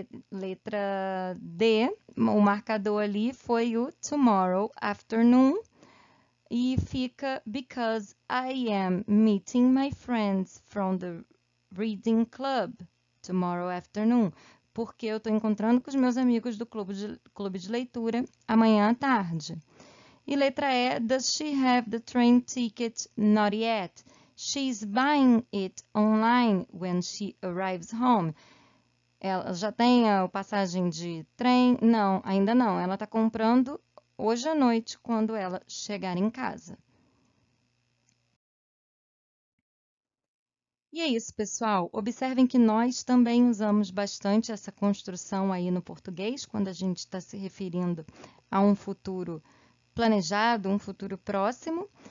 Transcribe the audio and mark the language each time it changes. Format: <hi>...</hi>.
<pt>Letra D, o marcador ali foi o tomorrow afternoon. E fica</pt> <en>because I am meeting my friends from the reading club tomorrow afternoon.</en> <pt>Porque eu estou encontrando com os meus amigos do clube de leitura amanhã à tarde. E letra E,</pt> <en>does she have the train ticket? Not yet. She's buying it online when she arrives home.</en> <pt>Ela já tem a passagem de trem? Não, ainda não. Ela está comprando hoje à noite quando ela chegar em casa. E é isso, pessoal. Observem que nós também usamos bastante essa construção aí no português, quando a gente está se referindo a um futuro planejado, um futuro próximo.</pt>